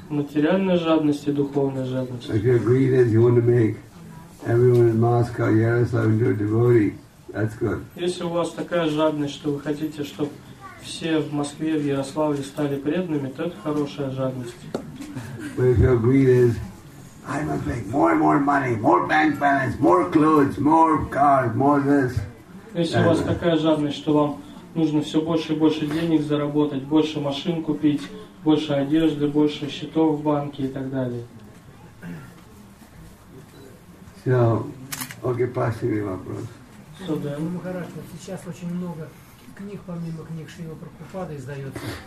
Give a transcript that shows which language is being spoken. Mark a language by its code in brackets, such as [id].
[ru] Материальная жадность и духовная жадность. [en] If your greed is you want to make everyone in Moscow, Yaroslav into a devotee. That's good. [ru] Если у вас такая жадность, что вы хотите, чтобы все в Москве, в Ярославле стали преданными, то это хорошая жадность. [en] But if your greed is, I must make more and more money, more bank balance, more clothes, more cars, more this. [ru] Если у вас такая жадность, что вам нужно все больше и больше денег заработать, больше машин купить, больше одежды, больше счетов в банке и так далее. [en] So, okay, [ru] последний вопрос. Ну, Махарадж, сейчас очень много книг, помимо книг Шрилы Прабхупады, издается.